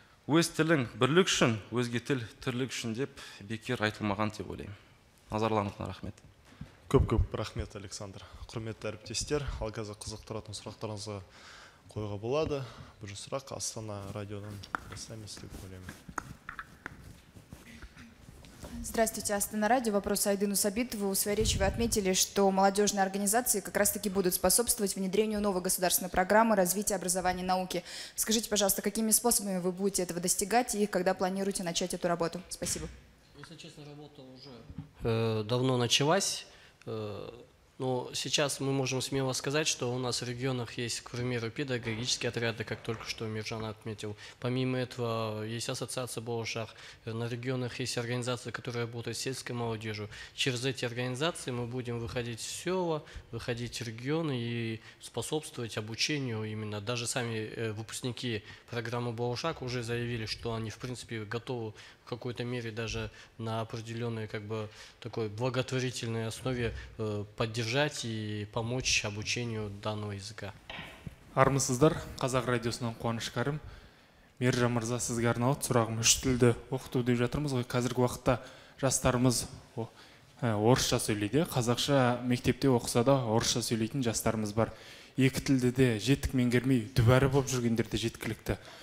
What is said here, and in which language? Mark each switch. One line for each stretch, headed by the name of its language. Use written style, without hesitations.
Kazakh: Өз тілің бірлік үшін, өзге тіл тірлік үшін деп бекер айтылмаған деп ойлаймын. Назарларыңызға рахмет. Көп-көп рахмет, Александр. Құрметті әріптестер, алғаша қызықтыратын сұрақтарыңызға қойға болады. Бірінші сұрақ Астана радиодан бастаймыз деп ойлаймын.
Russian: Здравствуйте, Астана Радио. Вопрос Айдыну Сабитову. В своей речи вы отметили, что молодежные организации как раз-таки будут способствовать внедрению новой государственной программы развития образования и науки. Скажите, пожалуйста, какими способами вы будете этого достигать и когда планируете начать эту работу? Спасибо. Если честно, работа уже давно началась. Но сейчас мы можем смело сказать, что у нас в регионах есть, к примеру, педагогические отряды, как только что Миржан отметил. Помимо этого, есть ассоциация «Болошах». На регионах есть организации, которые работают с сельской молодежью. Через эти организации мы будем выходить в села, выходить в регионы и способствовать обучению именно. Даже сами выпускники программы «Болошах» уже заявили, что они, в принципе, готовы в какой-то мере даже на определенной как бы, такой благотворительной основе поддержать и помочь обучению данного языка.
Kazakh: Армысыздар, Қазақ радиосынан Қуаныш Қарым. Мержан Мырза, сізге арналып, сұрағым үш тілді оқыту деп жатырмыз. Қазіргі уақытта жастарымыз орысша сөйлейді. Қазақша мектепте оқыса да орысша сөйлейтін жастарымыз бар. Екі тілді де жетік меңгермей, дүбәрі болып жүргендер де жеткілікті.